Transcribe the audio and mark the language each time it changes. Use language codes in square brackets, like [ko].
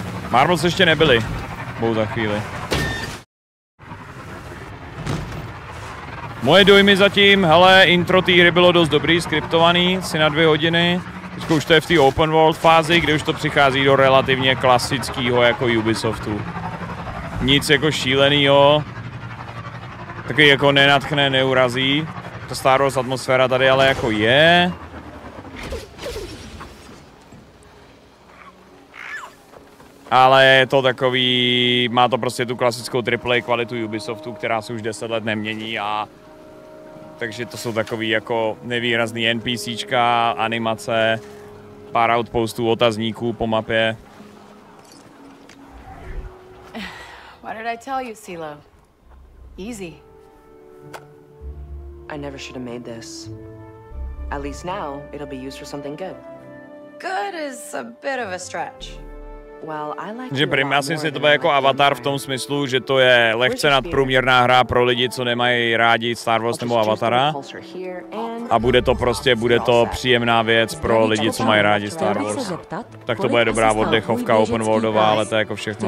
[cs] Marbles ještě nebyli, budou za chvíli. Moje dojmy zatím, hele, intro té hry bylo dost dobrý, skriptovaný, asi na 2 hodiny. Teď už to je v té open world fázi, kde už to přichází do relativně klasického jako Ubisoftu. Nic jako šílenýho, taky jako nenatchne, neurazí. Ta Star Wars atmosféra tady ale jako je. Ale je to takový, má to prostě tu klasickou AAA kvalitu Ubisoftu, která se už 10 let nemění a takže to jsou takový jako nevýrazný NPCčka, animace, pár outpostů, otazníků po mapě. [en] What did I tell you, CeeLo? Easy. I never should have made this. At least now, it'll be used for something good. Good is a bit of a stretch. Well, I like [cs] že prim, já si to bude jako avatar v tom smyslu, že to je lehce nadprůměrná hra pro lidi, co nemají rádi Star Wars nebo Avatara. A bude to prostě, bude to příjemná věc pro lidi, co mají rádi Star Wars. Tak to bude dobrá oddechovka open worldová, ale to je jako všechno.